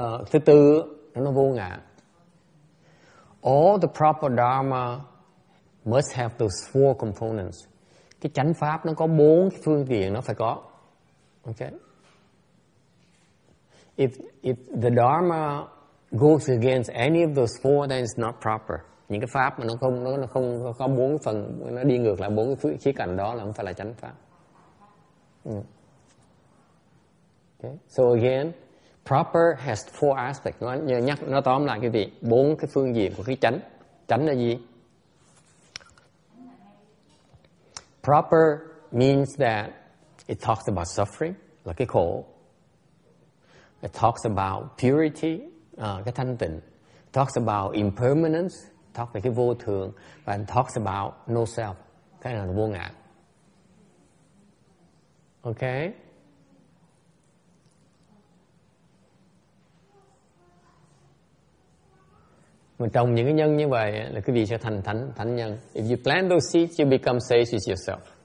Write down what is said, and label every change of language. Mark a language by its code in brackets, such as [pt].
[vi] Thứ tư, nó vô ngã. [en] All the proper dharma must have those four components. [vi] Cái chánh pháp nó có bốn cái phương tiện nó phải có. [en] Okay. If the dharma goes against any of those four, then it's not proper. [vi] Những cái pháp mà nó không có bốn phần, nó đi ngược lại bốn cái khía cạnh đó là không phải là chánh pháp. [en] Okay. So again, proper has four aspects. [vi] Nó tóm lại cái gì? Bốn cái phương diện của cái chánh. Chánh là gì? [en] Proper means that it talks about suffering, [vi] là cái khổ. [en] It talks about purity, [vi] cái thanh tịnh. [en] It talks about impermanence, talk về [vi] cái vô thường. [en] Và it talks about no self, [vi] cái là vô ngã. [en] Okay? [vi] Mà trồng những cái nhân như vậy là quý vị sẽ thành thánh nhân. [en] If you plant those seeds, you become sage with yourself.